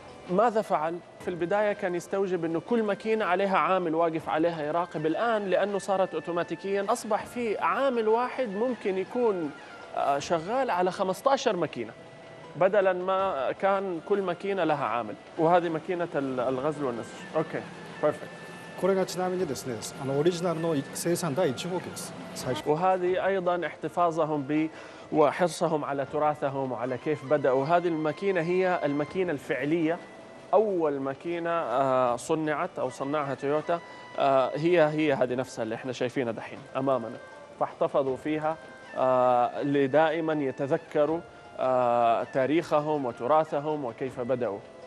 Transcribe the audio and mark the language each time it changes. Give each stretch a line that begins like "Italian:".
Arabic: ماذا فعل؟ في البداية كان يستوجب أنه كل ماكينة عليها عامل واقف عليها يراقب، الآن لأنه صارت أوتوماتيكياً أصبح في عامل واحد ممكن يكون شغال على 15 ماكينة، بدلاً ما كان كل ماكينة لها عامل. وهذه ماكينة الغزل والنسج.
English: Okay, perfect.
Japanese: これがちなみにですね、あのオリジナルの生産第1号機です。最初。
Arabic: وهذه أيضاً احتفاظهم وحرصهم على تراثهم على كيف بدأوا. هذه الماكينة هي الماكينة الفعلية، أول ماكينة صنعت أو صنعها تويوتا هي هذه نفسها اللي إحنا شايفينها دحين أمامنا. فاحتفظوا فيها لدائماً يتذكروا تاريخهم وتراثهم وكيف بدأوا.